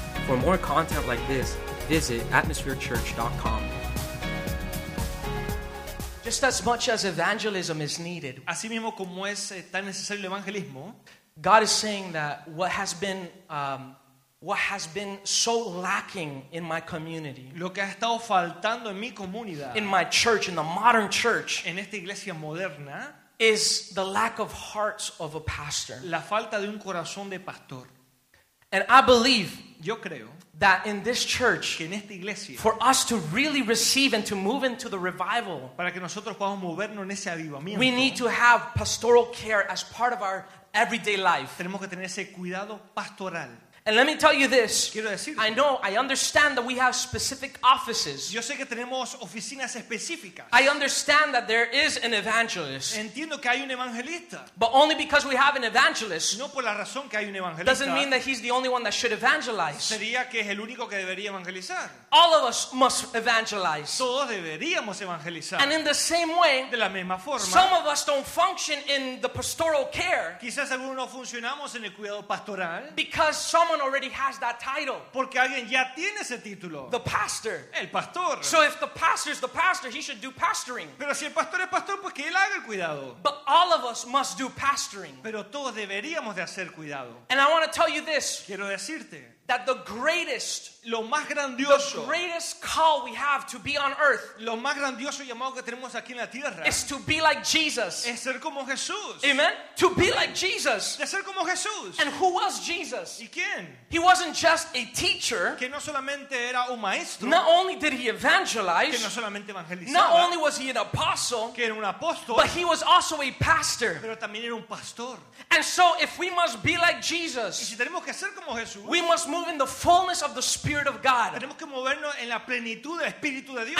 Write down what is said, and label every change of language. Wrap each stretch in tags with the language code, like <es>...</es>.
<en>For more content like this, visit atmospherechurch.com. Just as much as evangelism is needed,</en> <es>así mismo como es tan necesario el evangelismo,</es> <en>God is saying that what has been so lacking in my community,</en> <es>lo que ha estado faltando en mi comunidad,</es> <en>in my church, in the modern church,</en> <es>en esta iglesia moderna,</es> <en>is the lack of hearts of a pastor.</en> <es>La falta de un corazón de pastor.</es> <en>And I believe,</en> <es>yo creo,</es> <en>that in this church,</en> <es>que en esta iglesia,</es> <en>for us to really receive and to move into the revival,</en> <es>para que nosotros podamos movernos en ese avivamiento,</es> <en>we need to have pastoral care as part of our everyday life.</en> <es>Tenemos que tener ese cuidado pastoral.</es> <en>And let me tell you this.</en> <es>Quiero decir,</es> <en>I know, I understand that we have specific offices.</en> <es>Yo sé que tenemos oficinas específicas.</es> <en>I understand that there is an evangelist.</en> <es>Entiendo que hay un evangelista.</es> <en>But only because we have an evangelist,</en> <es>no por la razón que hay un evangelista,</es> <en>doesn't mean that he's the only one that should evangelize.</en> <es>Sería que es el único que debería evangelizar.</es> <en>All of us must evangelize.</en> <es>Todos deberíamos evangelizar.</es> <en>And in the same way,</en> <es>de la misma forma,</es> <en>some of us don't function in the pastoral care.</en> <es>Quizás algunos no funcionamos en el cuidado pastoral.</es> <en>Because someone already has that title.</en> <es>Porque alguien ya tiene ese título.</es> <en>The pastor.</en> <es>El pastor.</es> <en>So if the pastor is the pastor, he should do pastoring.</en> <es>Pero si el pastor es pastor, pues que él haga el cuidado.</es> <en>But all of us must do pastoring.</en> <es>Pero todos deberíamos de hacer cuidado.</es> <en>And I want to tell you this.</en> <es>Quiero decirte.</es> <en>That the greatest,</en> <es>lo más grandioso,</es> <en>the greatest call we have to be on earth,</en> <es>lo más grandioso llamado que tenemos aquí en la tierra,</es> <en>is to be like Jesus.</en> <es>Es ser como Jesús.</es> <en>Amen. To be like Jesus.</en> <es>De ser como Jesús.</es> <en>And who was Jesus?</en> <es>¿Y quién?</es> <en>He wasn't just a teacher.</en> <es>Que no solamente era un maestro.</es> <en>Not only did he evangelize.</en> <es>Que no solamente evangelizaba.</es> <en>Not only was he an apostle.</en> <es>Que era un apóstol.</es> <en>But he was also a pastor.</en> <es>Pero también era un pastor.</es> <en>And so, if we must be like Jesus,</en> <es>y si tenemos que ser como Jesús,</es> <en>we must move in the fullness of the Spirit of God.</en> <es>Tenemos que movernos en la plenitud del Espíritu de Dios.</es>